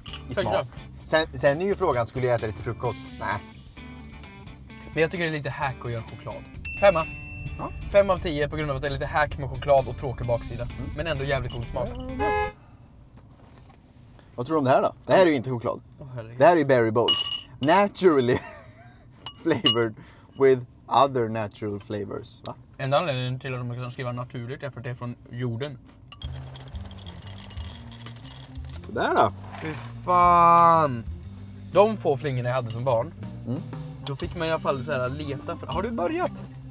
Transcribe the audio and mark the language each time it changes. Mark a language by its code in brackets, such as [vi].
[sv] I smak. Sen är ju frågan, skulle jag äta lite frukost? Nej. Men jag tycker det är lite hack att göra choklad. Femma. Ja. 5 av 10 på grund av att det är lite hack med choklad och tråkig baksida. Mm. Men ändå jävligt god smak. Mm. Vad tror du om det här då? Det här är ju inte choklad. Det här är ju berry bowls. [en] Naturally flavored with other natural flavors. [sv] Va? Enda anledningen till att de kan skriva naturligt är för att det är från jorden. Så där då. Fy fan. De få flingorna jag hade som barn. Mm. Då fick man i alla fall så här leta. För... Har du börjat?